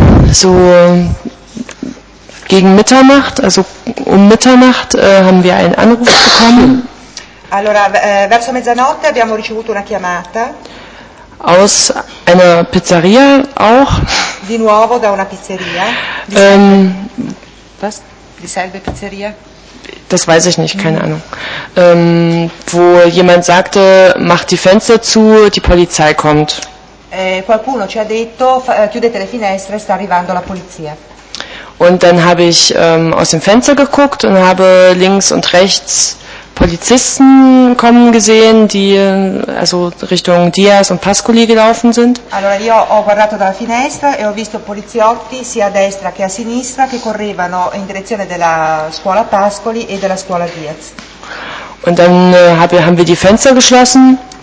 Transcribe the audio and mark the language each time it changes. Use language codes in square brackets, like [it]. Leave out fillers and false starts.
[de] So gegen Mitternacht, also um Mitternacht haben wir einen Anruf bekommen. [it] Allora, verso mezzanotte abbiamo ricevuto una chiamata. [de] Aus einer Pizzeria auch. [it] Di nuovo da una pizzeria. [de] Was? Dieselbe Pizzeria? Das weiß ich nicht, keine Ahnung. Wo jemand sagte, mach die Fenster zu, die Polizei kommt. [it] Qualcuno ci ha detto, chiudete le finestre, sta arrivando la polizia. [de] Und dann habe ich aus dem Fenster geguckt und habe links und rechts Polizisten kommen gesehen, die also Richtung Diaz und Pascoli gelaufen sind. [it] Allora io ho guardato dalla finestra e ho visto poliziotti sia a destra che a sinistra che correvano in direzione della scuola Pascoli e della scuola Diaz. [de] Und dann haben wir die Fenster geschlossen.